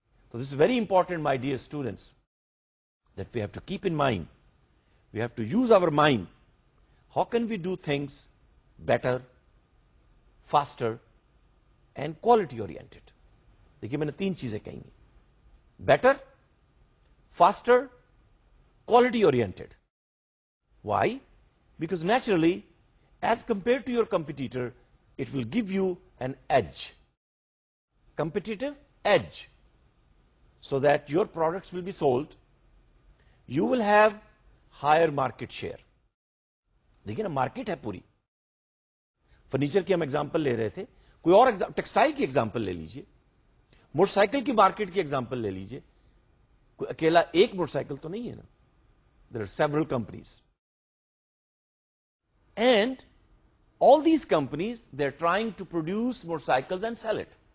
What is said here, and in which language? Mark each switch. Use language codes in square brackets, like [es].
[en] تو this is very important my dear students, that we have to keep in mind, we have to use our mind, how can we do things better, faster and quality oriented. [ur] دیکھیے, میں نے 3 چیزیں کہیں گی, better, faster, quality oriented. [en] Why? Because naturally, as compared to your competitor, it will give you an edge. Competitive edge. So that your products will be sold, you will have higher market share. [ur] Dekhiye na, market hai puri. Furniture ki hum example le rahe the. کوئی اور textile کی example لے لیجئے، motor cycle کی market کی example لے لیجئے، کوئی اکیلا ایک موٹر سائیکل تو نہیں ہے نا، [en] There are several companies and all these companies they are trying to produce motorcycles and sell it.